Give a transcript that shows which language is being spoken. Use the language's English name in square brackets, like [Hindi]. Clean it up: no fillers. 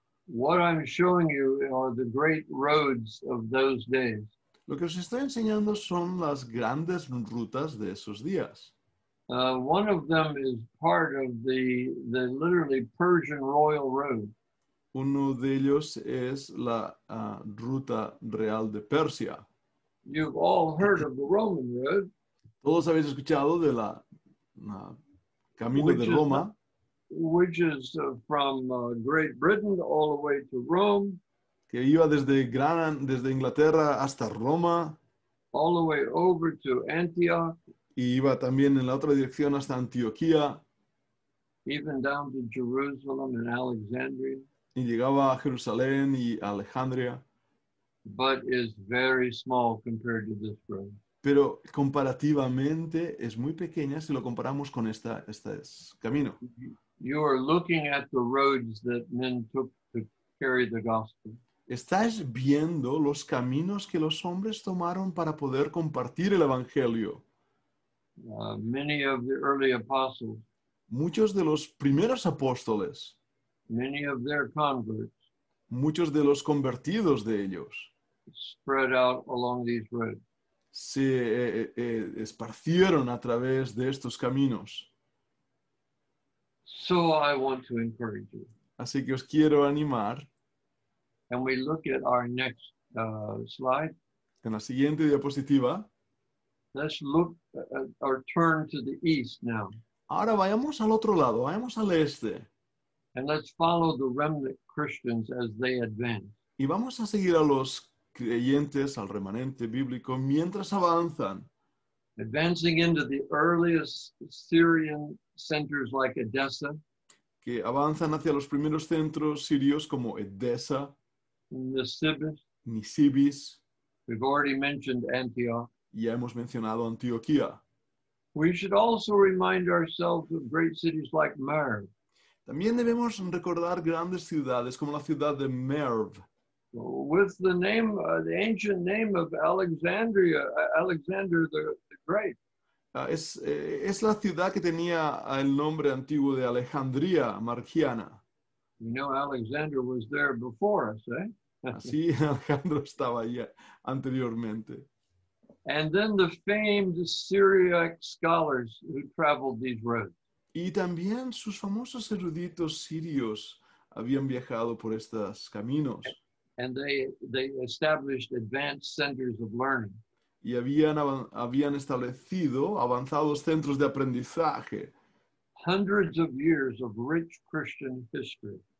[English] What I'm showing you are the great roads of those days. [Spanish] Lo que os estoy enseñando son las grandes rutas de esos días. [English] One of them is part of the literally Persian royal road. [Spanish] Uno de ellos es la ruta real de Persia. [English] You've all heard of the Roman road. [Spanish] Todos habéis escuchado de la camino de Roma, [English] which is from Great Britain all the way to Rome. [Spanish] Que iba desde Inglaterra hasta Roma. [English] All the way over to Antioch. [Spanish] Y iba también en la otra dirección hasta Antioquía. [English] Even down to Jerusalem and Alexandria. [Spanish] Y llegaba a Jerusalén y Alejandría. [English] But is very small compared to this road. [Spanish] Pero comparativamente es muy pequeña si lo comparamos con este camino. [English] You are looking at the roads that men took to carry the gospel. [Spanish] Estás viendo los caminos que los hombres tomaron para poder compartir el Evangelio. [English] Many of the early apostles, [Spanish] muchos de los primeros apóstoles. [English] Many of their converts, [Spanish] muchos de los convertidos de ellos. [English] Spread out along these roads. [Spanish] Se esparcieron a través de estos caminos. [English] So I want to encourage you. [Spanish] Así que os quiero animar. [English] And we look at our next slide. [Spanish] En la siguiente diapositiva. [English] Let's look at our turn to the east now. [Spanish] Ahora vayamos al otro lado, vayamos al este. [English] And let's follow the remnant Christians as they advance. [Spanish] Y vamos a seguir a los creyentes, al remanente bíblico, mientras avanzan. [English] Advancing into the earliest Syrian centers like Edessa. [Spanish] Que avanzan hacia los primeros centros sirios como Edessa. [English] Nisibis. We've already mentioned Antioch. [Spanish] Ya hemos mencionado Antioquía. [English] We should also remind ourselves of great cities like Merv. [Spanish] También debemos recordar grandes ciudades como la ciudad de Merv. [English] With the name, the ancient name of Alexandria, Alexander the Great. [Spanish] Es la ciudad que tenía el nombre antiguo de Alejandría Margiana. [English] You know, Alexander was there before us, eh? [Spanish] Así Alejandro estaba allí anteriormente. [English] And then the famed Syriac scholars who traveled these roads. [Spanish] Y también sus famosos eruditos sirios habían viajado por estos caminos. [English] And they established advanced centers of learning. [Spanish] Y habían establecido avanzados centros de aprendizaje. [English] Hundreds of years of rich Christian history.